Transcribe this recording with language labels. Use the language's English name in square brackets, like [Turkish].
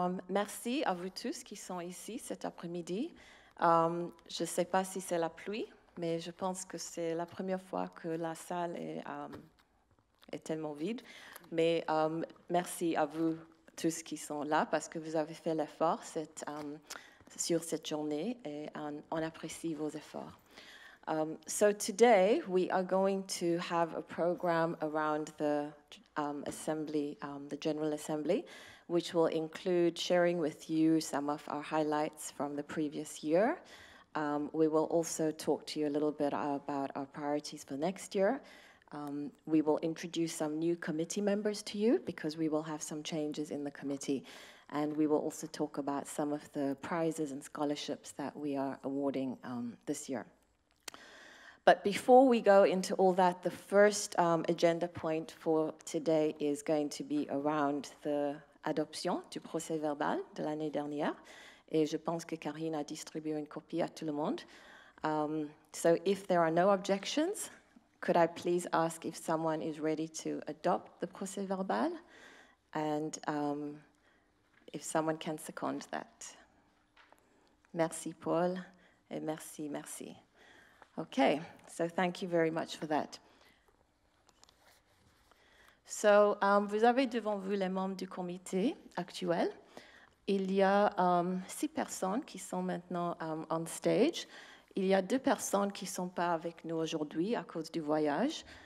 [French] Merci à vous tous qui sont ici cet après-midi. Je ne sais pas si c'est la pluie, mais je pense que c'est la première fois que la salle est, est tellement vide. Mais merci à vous tous qui sont là parce que vous avez fait l'effort sur cette journée et on apprécie vos efforts. [English] So today we are going to have a program around the assembly, the General Assembly, which will include sharing with you some of our highlights from the previous year. We will also talk to you a little bit about our priorities for next year. We will introduce some new committee members to you because we will have some changes in the committee. And we will also talk about some of the prizes and scholarships that we are awarding this year. But before we go into all that, the first agenda point for today is going to be around the adoption [French] du procès verbal de l'année dernière. Et je pense que Karine a distribué une copie à tout le monde. [English] So if there are no objections, could I please ask if someone is ready to adopt the procès-verbal, and if someone can second that. [French] Merci, Paul, et merci, merci. [English] Okay, so thank you very much for that. [French] So, vous avez devant vous les membres du comité actuel. Il y a 6 personnes qui sont maintenant [English] on stage. [French] Il y a 2 personnes qui ne sont pas avec nous aujourd'hui à cause du voyage.